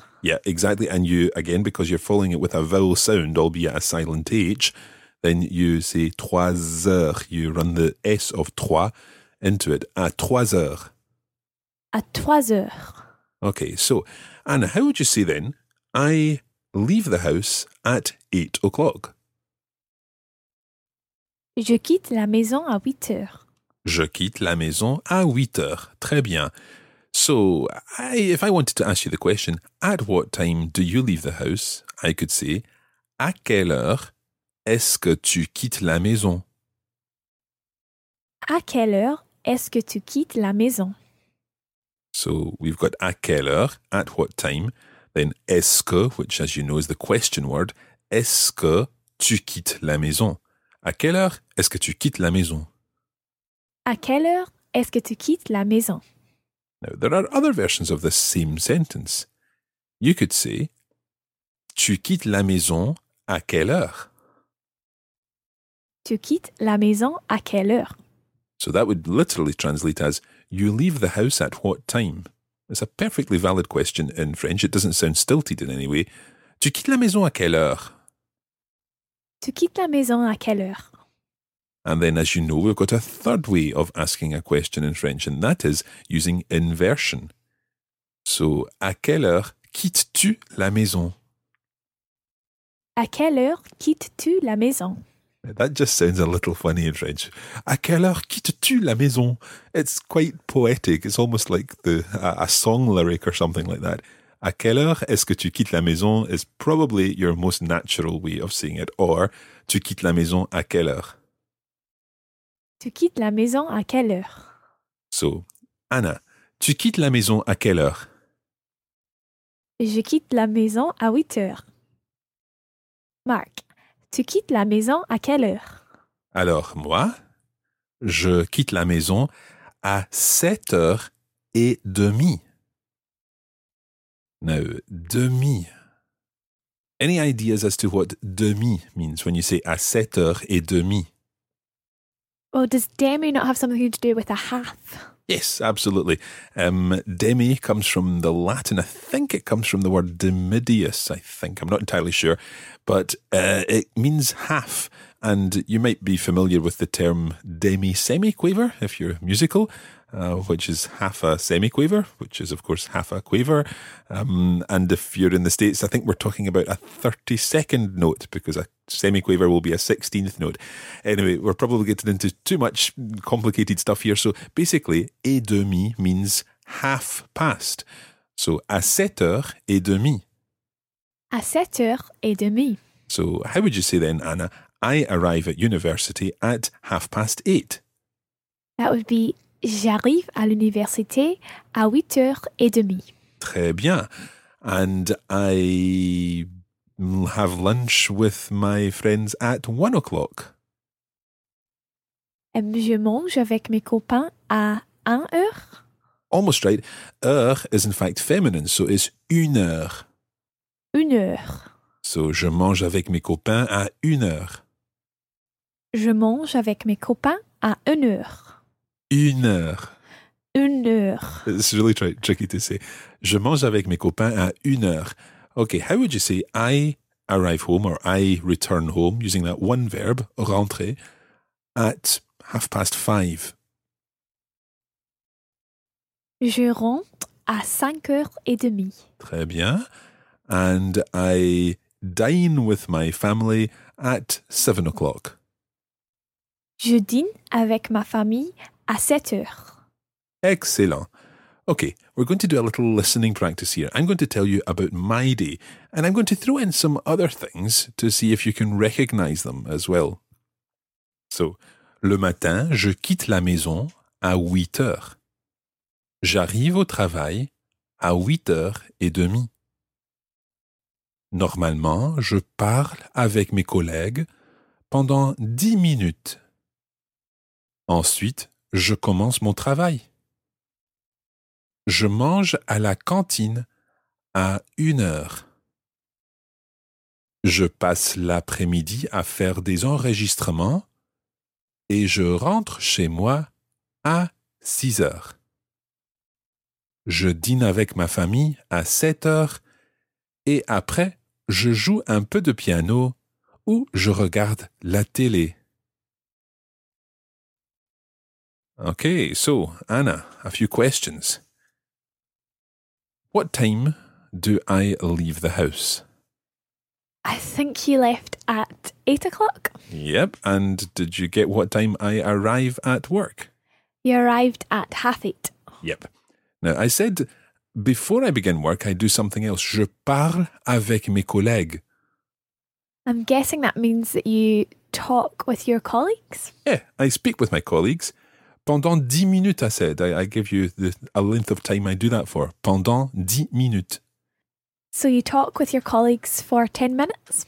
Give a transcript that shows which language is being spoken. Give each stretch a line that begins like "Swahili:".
English: Yeah, exactly. And you, again, because you're following it with a vowel sound, albeit a silent H, then you say
French: trois heures.
English: You run the S of trois into it.
French: À trois heures. À trois heures.
English: Okay, so, Anna, how would you say then, I leave the house at 8 o'clock?
French: Je quitte la maison à 8 heures. Je quitte la maison à 8 heures. Très bien.
English: So, if I wanted to ask you the question, at what time do you leave the house? I could say,
French: à quelle heure est-ce que tu quittes la maison? À quelle heure est-ce que tu quittes la maison?
English: So we've got
French: à quelle heure,
English: at what time, then
French: est-ce que,
English: which as you know is the question word,
French: est-ce que tu quittes la maison? À quelle heure est-ce que tu quittes la maison? À quelle heure est-ce que tu quittes la maison?
English: Now there are other versions of the same sentence. You could say,
French: tu quittes la maison à quelle heure? Tu quittes la maison à quelle heure?
English: So that would literally translate as, you leave the house at what time? It's a perfectly valid question in French. It doesn't sound stilted in any way.
French: Tu quittes la maison à quelle heure? Tu quittes la maison à quelle heure?
English: And then, as you know, we've got a third way of asking a question in French, and that is using inversion.
French: So, à quelle heure quittes-tu la maison? À quelle heure quittes-tu la maison?
English: That just sounds a little funny in French.
French: À quelle heure quittes-tu la maison?
English: It's quite poetic. It's almost like a song lyric or something like that.
French: À quelle heure est-ce que tu quittes la maison
English: is probably your most natural way of saying it.
French: Or, tu quittes la maison à quelle heure? Tu quittes la maison à quelle heure? So, Anna, tu quittes la maison à quelle heure? Je quitte la maison à 8 heures. Mark, tu quittes la maison à quelle heure? Alors, moi, je quitte la maison à 7h30.
English: Now, demi. Any ideas as to what demi means when you say
French: à 7h30?
English: Well, does demi not have something to do with a half? Yes, absolutely. Demi comes from the Latin. I think it comes from the word demidius, I think. I'm not entirely sure. But it means half. And you might be familiar with the term demi-semi-quaver, if you're musical, which is half a semi-quaver, which is, of course, half a quaver. And if you're in the States, I think we're talking about a 32nd note, because a semi-quaver will be a 16th note. Anyway, we're probably getting into too much complicated stuff here. So basically,
French: et demi
English: means half past. So, à 7h30. À 7h30. So, how would you say then, Anna, I arrive at university at 8:30? That would be,
French: j'arrive à l'université à 8h30. Très bien.
English: And I have lunch with my friends at 1:00.
French: Je mange avec mes copains à 1h.
English: Almost right. Heure is in fact feminine, so it's une heure.
French: Une heure. So je mange avec mes copains à 1h. Je mange avec mes copains à 1h. 1h. 1h.
English: It's really tricky to say.
French: Je mange avec mes copains à 1h.
English: Okay, how would you say I arrive home or I return home using that one verb, rentrer, at 5:30?
French: Je rentre à 5h30. Très bien.
English: And I dine with my family at 7:00.
French: Je dîne avec ma famille à 7h.
English: Excellent. Okay, we're going to do a little listening practice here. I'm going to tell you about my day, and I'm going to throw in some other things to see if you can recognise them as well.
French: So, le matin, je quitte la maison à 8h. J'arrive au travail à 8h30. Normalement, je parle avec mes collègues pendant 10 minutes. Ensuite, je commence mon travail. Je mange à la cantine à 1h. Je passe l'après-midi à faire des enregistrements et je rentre chez moi à 6h. Je dîne avec ma famille à 7h et après, je joue un peu de piano ou je regarde la télé.
English: Okay, so, Anna, a few questions. What time do I leave the house? I think you left at 8:00. Yep, and did you get what time I arrive at work? You arrived at 8:30. Yep. Now, I said before I begin work, I do something else.
French: Je parle avec mes collègues.
English: I'm guessing that means that you talk with your colleagues? Yeah, I speak with my colleagues.
French: pendant 10 minutes,
English: I said. I give you a length of time I do that for.
French: Pendant 10 minutes.
English: So you talk with your colleagues for 10 minutes?